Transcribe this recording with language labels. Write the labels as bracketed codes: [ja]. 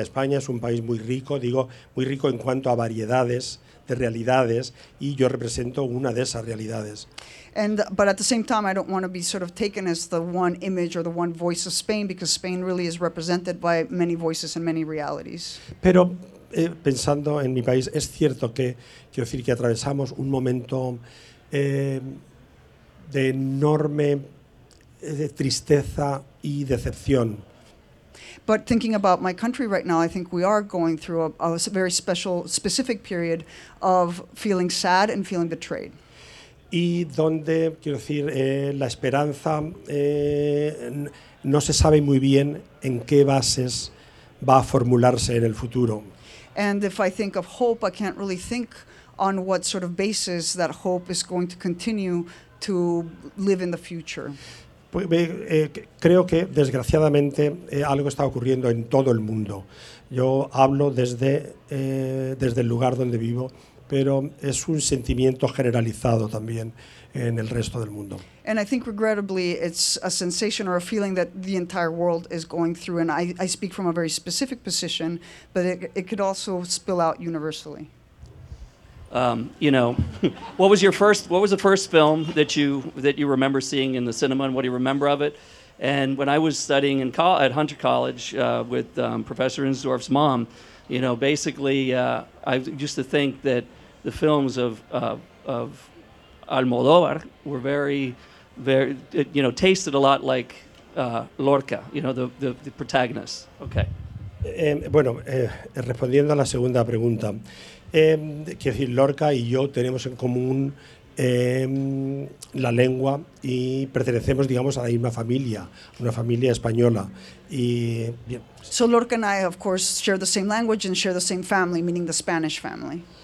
[es] España es un país muy rico, digo, muy rico en cuanto a variedades de realidades, y yo represento una de esas realidades. [en] And, but at the same time, I don't want to be sort of taken as the one image or the one voice of Spain, because Spain really is represented by many voices and many realities. [es] Pero pensando en mi país, es cierto que, quiero decir, que atravesamos un momento de enorme de tristeza y decepción. [en] But thinking about my country right now, I think we are going through a very special, specific period of feeling sad and feeling betrayed. [es] Y donde, quiero decir, la esperanza no se sabe muy bien en qué bases va a formularse en el futuro. [en] And if I think of hope, I can't really think on what sort of basis that hope is going to continue to live in the future. [es] Pues, creo que, desgraciadamente, algo está ocurriendo en todo el mundo. Yo hablo desde el lugar donde vivo, pero es un sentimiento generalizado también en el resto del mundo. [en] And I think, regrettably, it's a sensation or a feeling that the entire world is going through, and I speak from a very specific position, but it could also spill out universally. You know, what was the first film that you remember seeing in the cinema, and what do you remember of it? And when I was studying at Hunter College with Professor Insdorf's mom, you know, basically I used to think that the films of Almodóvar were very, very, you know, tasted a lot like Lorca, you know, the protagonist. Okay. [es] Bueno, respondiendo a la segunda pregunta. Quiero decir, Lorca y yo tenemos en común la lengua y pertenecemos, digamos, a la misma familia, una familia española. Y, bien. [en] So Lorca and I, of course, share the same language and share the same family, meaning the Spanish family.